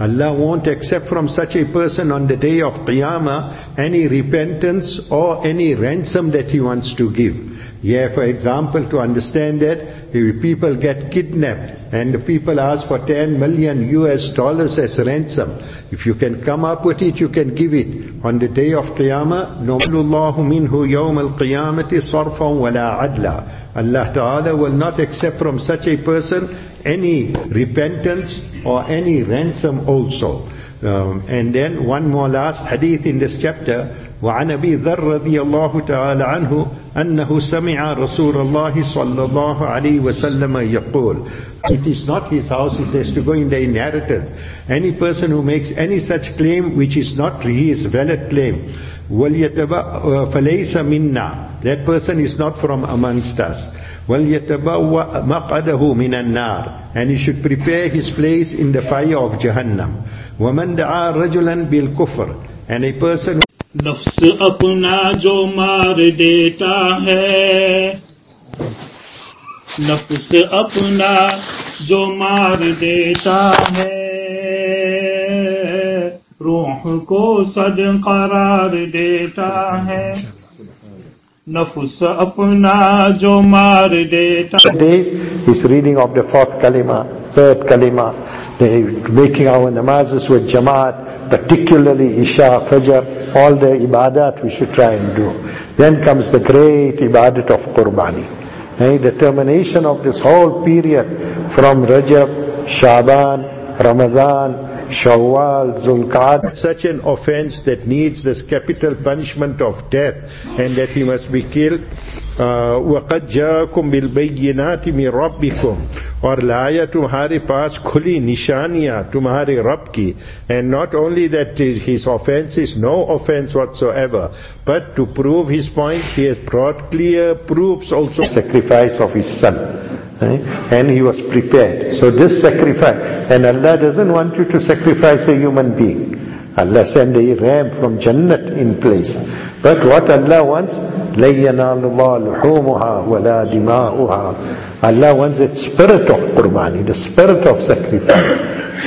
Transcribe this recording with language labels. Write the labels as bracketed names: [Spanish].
[English] Allah won't accept from such a person on the day of qiyamah any repentance or any ransom that he wants to give. Yeah, for example, to understand that, if people get kidnapped and the people ask for $10 million as ransom, if you can come up with it, you can give it. On the day of qiyamah, [Arabic] نُقْلُ اللَّهُ مِنْهُ يَوْمَ الْقِيَامَةِ صَرْفًا وَلَا عَدْلًا. [English] Allah Ta'ala will not accept from such a person any repentance or any ransom also. And then one more last hadith in this chapter. [Arabic] وَعَنَ أَبِي ذَرَّ رَضِيَ اللَّهُ تَعَالَ عَنْهُ أَنَّهُ سَمِعَ رَسُولَ اللَّهِ صَلَّى اللَّهُ عَلَيْهِ وَسَلَّمَ يَقُولُ. [English] It is not his house, it has to go in the inheritance. Any person who makes any such claim which is not his valid claim, [Arabic] فَلَيْسَ مِنَّا. [English] That person is not from amongst us. [Arabic] وَلْيَتَبَوَّ مَقْعَدَهُ مِنَ النَّارِ. [English] And he should prepare his place in the fire of Jahannam. [Arabic] وَمَنْ دَعَى رَجُلًا بِالْكُفْرِ. [English] And a person who... [Urdu] نفس اپنا جو مار دیتا ہے, نفس اپنا جو مار دیتا ہے, روح کو صدق قرار دیتا ہے, نفس اپنا جو مار دیتا ہے. [English] This is reading of the fourth kalima, third kalima. They making our namazes with jamaat, particularly Isha, Fajr, all the ibadat we should try and do. Then comes the great ibadat of Qurbani. The termination of this whole period from Rajab, Shaban, Ramadan, Shawwal, Zulqa'dah, such an offense that needs this capital punishment of death and that he must be killed. [Arabic] وَقَدْ جَاءَكُمْ بِالْبَيِّنَاتِ مِنْ رَبِّكُمْ [Urdu] اور لایا تمہارے پاس کھلی نشانیاں تمہارے رب کی. [English] And not only that his offense is no offense whatsoever, but to prove his point he has brought clear proofs also. Sacrifice of his son. And he was prepared. So this sacrifice, and Allah doesn't want you to sacrifice a human being. Allah send a ram from Jannat in place. But what Allah wants, [Arabic] لَيَّنَا اللَّهُ لُحُومُهَا وَلَا دِمَاؤُهَا. [English] Allah wants that spirit of qurbani, the spirit of sacrifice.